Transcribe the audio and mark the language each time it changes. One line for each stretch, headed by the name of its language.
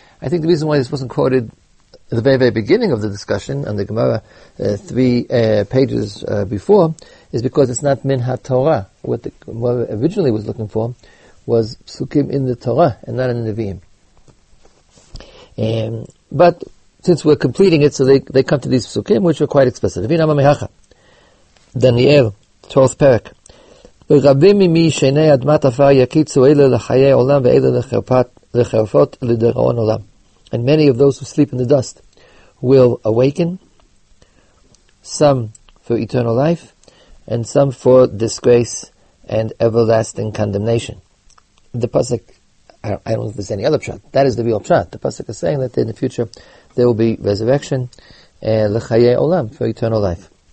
English: I think the reason why this wasn't quoted at the very, very beginning of the discussion on the Gemara, three pages before, is because it's not min ha-Torah. What the Gemara originally was looking for was psukim in the Torah and not in the Nevi'im. But since we're completing it, so they come to these psukim, which are quite explicit. Daniel, 12th perek.
Hebrew: ורבים ממי שני אדמת עפר יקיצו אלה לחיי עולם ואלה לחרפות לדראון עולם.
English: And many of those who sleep in the dust will awaken, some for eternal life, and some for disgrace and everlasting condemnation. The Pasuk, I don't know if there's any other pshat, that is the real pshat. The Pasuk is saying that in the future there will be resurrection,
Hebrew: לחיי עולם,
English: for eternal life.